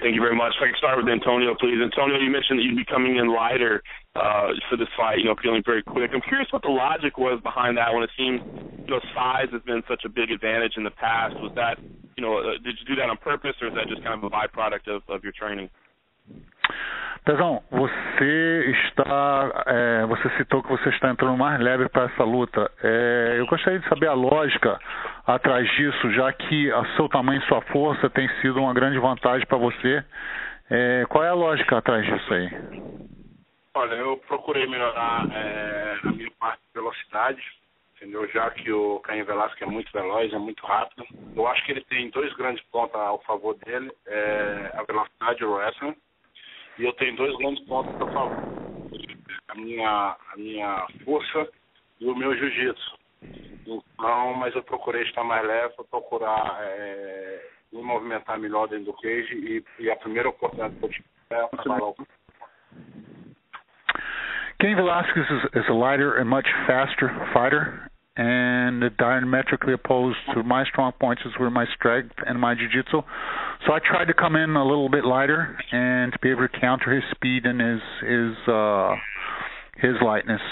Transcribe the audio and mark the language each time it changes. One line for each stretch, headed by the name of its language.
English: Thank you very much. If I can start with Antonio, please. Antonio, you mentioned that you'd be coming in lighter for this fight, you know, feeling very quick. I'm curious what the logic was behind that when it seems, you know, size has been such a big advantage in the past. Was that, you know, did you do that on purpose, or is that just kind of a byproduct of your training?
Portuguese: Pezão, você citou que você está entrando mais leve para essa luta. Eu gostaria de saber a lógica atrás disso, já que o seu tamanho e sua força tem sido uma grande vantagem para você. Qual é a lógica atrás disso aí? Olha, eu procurei melhorar a minha parte de velocidade, entendeu? Já que o Caim Velasco é muito veloz, é muito rápido. Eu acho que ele tem dois grandes pontos ao favor dele, a velocidade e o wrestling. E eu tenho dois grandes pontos para falar, a minha força e o meu jiu-jitsu. Então, mas eu procurei estar mais leve, procurar me movimentar melhor dentro do cage, e a primeira oportunidade que eu tive é para falar o...
English: Cain Velasquez is a lighter and much faster fighter, and diametrically opposed to my strong points were my strength and my jiu-jitsu. So I tried to come in a little bit lighter and to be able to counter his speed and his lightness.